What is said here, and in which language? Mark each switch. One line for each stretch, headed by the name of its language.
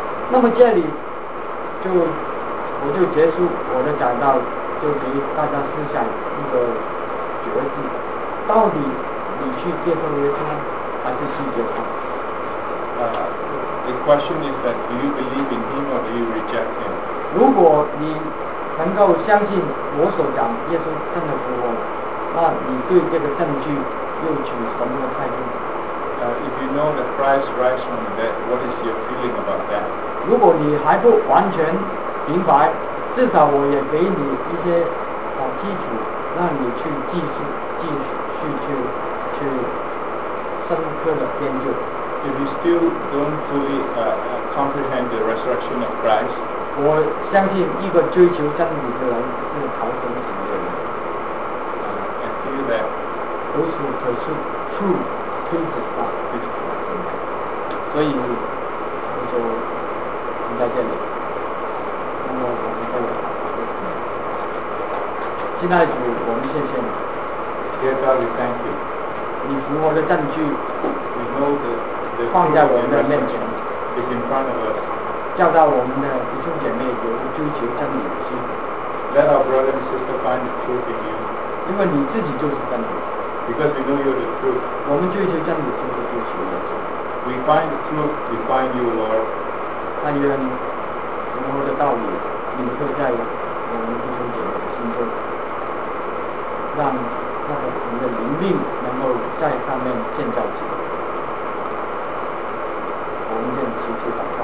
Chinese: 那么这里就我就结束我的讲道，就给大家思想一个决定，到底你去接受耶稣还是拒绝他？
English: The question is that do you believe in him or do you reject him?
Chinese: 如果你能够相信我所讲耶稣真的复活，那你对这个证据又持什么态度？
English: If you know that Christ rose from the dead, what is your feeling about that?
Chinese: 如果你还不完全明白，至少我也给你一些基础，让你去继续去深刻的研究。
English: If you still don't fully comprehend the resurrection of Christ,
Chinese: 我相信一个追求真理的人是逃生主义的人。
English: I feel that those who pursue truth is the path.
Chinese: 所以我就停在这里。那么我们再来祷告。亲爱的主，我们谢谢你。
English: Dear God, we thank you.
Chinese: 你复活的证据
English: we know the
Chinese: 放在我们的面前
English: is in front of us.
Chinese: 教导我们的弟兄姐妹有追求真理的心。
English: Let our brother and sister find the truth in you.
Chinese: 因为你自己就是真理。
English: Because we know you're the truth.
Chinese: 我们追求真理就是追求耶稣。
English: We find the truth, we find you, Lord.
Chinese: 但愿复活的道理铭刻在我们弟兄姐妹的心中，让那个我们的灵命能够在上面建造起来。我们这样继续。